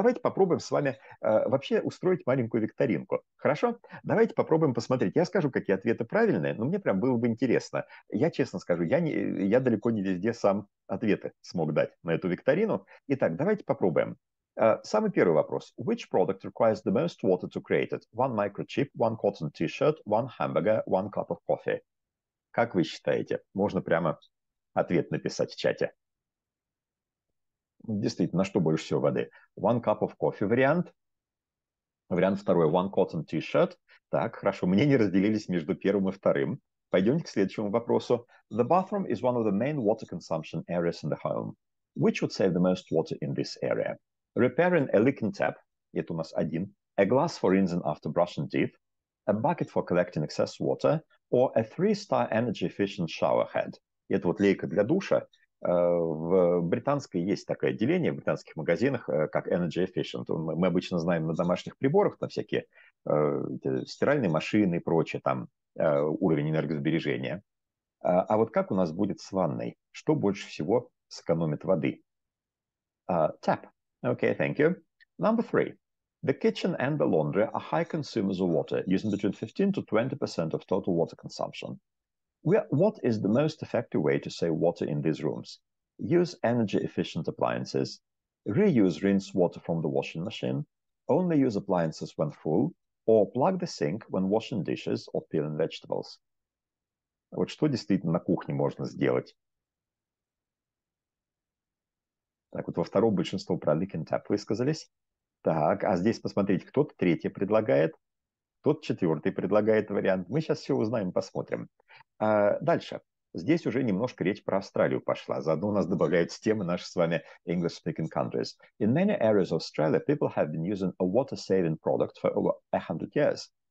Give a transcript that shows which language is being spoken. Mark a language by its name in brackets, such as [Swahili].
[Russian] Давайте попробуем с вами вообще устроить маленькую викторинку. Хорошо? Давайте попробуем посмотреть. Я скажу, какие ответы правильные, но мне прям было бы интересно. Я честно скажу, я далеко не везде сам ответы смог дать на эту викторину. Итак, давайте попробуем. Самый первый вопрос. [English] Which product requires the most water to create it? One microchip, one cotton t-shirt, one hamburger, one cup of coffee. [Russian] Как вы считаете? Можно прямо ответ написать в чате. Действительно, на что больше всего воды? [English] One cup of coffee [Russian] вариант. Вариант второй. [English] One cotton t-shirt. [Russian] Так, хорошо, мнения разделились между первым и вторым. Пойдемте к следующему вопросу. [English] The bathroom is one of the main water consumption areas in the home. Which would save the most water in this area? Repairing a leaking tap, [Russian] это у нас один, [English] a glass for rinsing after brushing teeth, a bucket for collecting excess water, or a 3-star energy efficient showerhead. [Russian] Это вот лейка для душа. В британской есть такое деление в британских магазинах, как energy efficient. Мы обычно знаем на домашних приборах, на всякие стиральные машины и прочее, там уровень энергосбережения. А вот как у нас будет с ванной? Что больше всего сэкономит воды? [English] Tap. Okay, thank you. Number three. The kitchen and the laundry are high consumers of water, using between 15 to 20% of total water consumption. What is the most effective way to save water in these rooms? Use energy-efficient appliances. Reuse rinsed water from the washing machine. Only use appliances when full. Or plug the sink when washing dishes or peeling vegetables. [Russian] Вот что действительно на кухне можно сделать? Так вот, во втором большинство про leaking tap высказались. Так, а здесь посмотрите, кто-то третий предлагает, кто-то четвертый предлагает вариант. Мы сейчас все узнаем, посмотрим. А дальше. Здесь уже немножко речь про Австралию пошла. Заодно у нас добавляются темы наши с вами English-speaking countries. [English] In many areas of Australia, people have been using a water-saving product for over 100 years.